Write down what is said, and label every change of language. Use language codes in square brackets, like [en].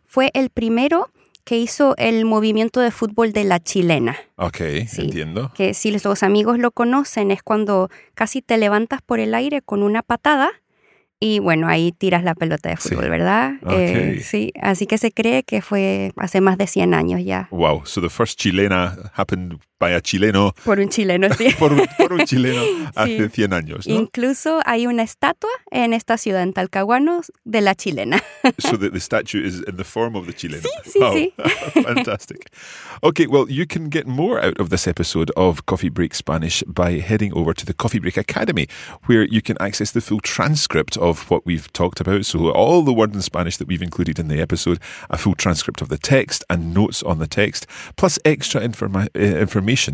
[es] fue el primero que hizo el movimiento de fútbol de la chilena. Ok, sí, entiendo. Que si los amigos lo conocen, es cuando casi te levantas por el aire con una patada y bueno, ahí tiras la pelota de fútbol, sí. ¿verdad? [en] Okay. [es] Sí, así que se cree que fue hace más de 100 años ya. [en] Wow, so the first chilena happened by a chileno. [es] Por un chileno, sí. por un chileno hace sí. 100 años, ¿no? Incluso hay una estatua en esta ciudad, en Talcahuano, de la chilena. [en] So the statue is in the form of the chileno. [es] Sí, sí, [en] wow. [es] sí. [en] Fantastic. Okay, well, you can get more out of this episode of Coffee Break Spanish by heading over to the Coffee Break Academy, where you can access the full transcript of what we've talked about. So all the words in Spanish that we've included in the episode, a full transcript of the text and notes on the text, plus extra information.